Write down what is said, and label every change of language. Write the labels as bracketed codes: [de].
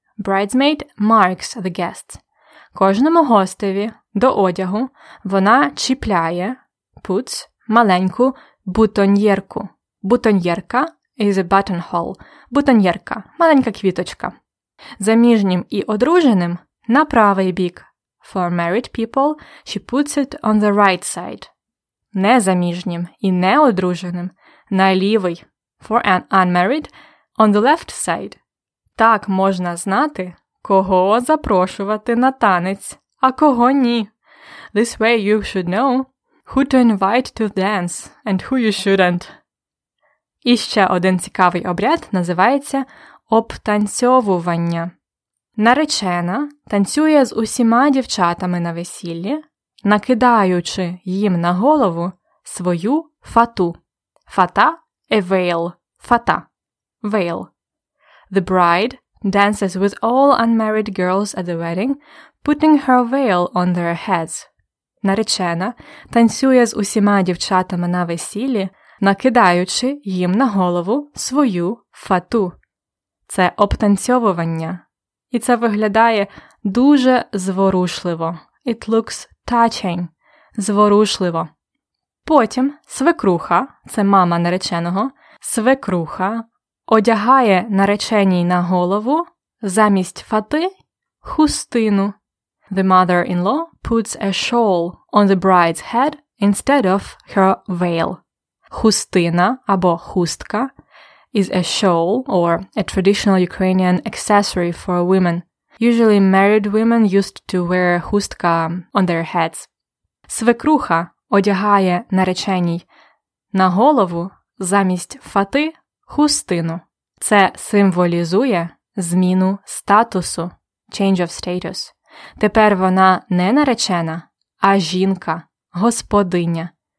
[en] Bridesmaid marks the guests. [uk] Кожному гостеві до одягу вона чіпляє [en] puts [uk] маленьку бутоньєрку. [en] Бутоньєрка is a buttonhole. [uk] Бутоньєрка – маленька квіточка. Заміжнім і одруженим – на правий бік. [en] For married people, she puts it on the right side. [uk] Незаміжнім і неодруженим – на лівий. [en] For an unmarried – on the left side. [uk] Так можна знати, кого запрошувати на танець, а кого ні. [en] This way you should know who to invite to dance and who you shouldn't. [uk] І ще один цікавий обряд називається обтанцьовування. Наречена танцює з усіма дівчатами на весіллі, накидаючи їм на голову свою фату. [en] Фата – a veil. Фата – veil. The bride dances with all unmarried girls at the wedding, putting her veil on their heads. [uk] Наречена танцює з усіма дівчатами на весіллі, накидаючи їм на голову свою фату. Це обтанцьовування. І це виглядає дуже зворушливо. [en] It looks touching. [uk] Зворушливо. Потім свекруха, це мама нареченого, свекруха одягає нареченій на голову замість фати хустину. [en] The mother-in-law puts a shawl on the bride's head instead of her veil. [uk] Хустина або хустка [en] – is a shawl or a traditional Ukrainian accessory for women. Usually married women used to wear хустка on their heads. [uk] Свекруха одягає нареченій на голову замість фати хустину. Це символізує зміну статусу, [en] change of status. [uk] Тепер вона не наречена, а жінка, господиня.